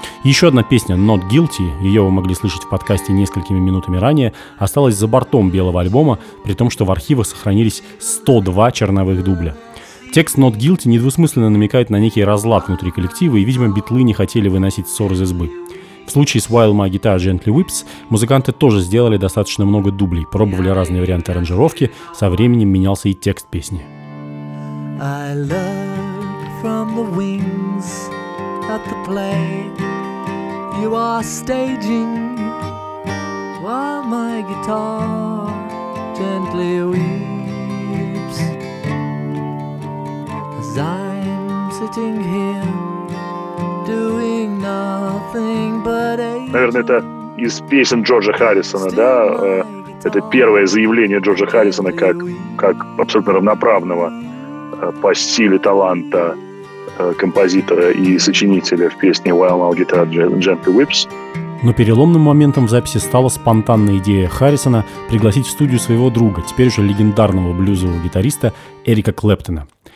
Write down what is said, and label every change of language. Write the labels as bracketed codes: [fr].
[ru] Еще одна песня «Not Guilty», ее вы могли слышать в подкасте несколькими минутами ранее, осталась за бортом белого альбома, при том, что в архивах сохранились 102 черновых дубля. Текст «Not Guilty» недвусмысленно намекает на некий разлад внутри коллектива, и, видимо, битлы не хотели выносить ссор из избы. В случае с «While My Guitar Gently Weeps» музыканты тоже сделали достаточно много дублей, пробовали разные варианты аранжировки, со временем менялся и текст песни. [en] I learned from the wings at the play you are staging while my guitar gently weeps. 'Cause I sitting here doing nothing but a... [ru] Наверное, это из песен Джорджа Харрисона, да? Это первое заявление Джорджа Харрисона как абсолютно равноправного по стилю таланта композитора и сочинителя в песне «While My Guitar Gently Weeps». Но переломным моментом в записи стала спонтанная идея Харрисона пригласить в студию своего друга, теперь уже легендарного блюзового гитариста Эрика Клэптона.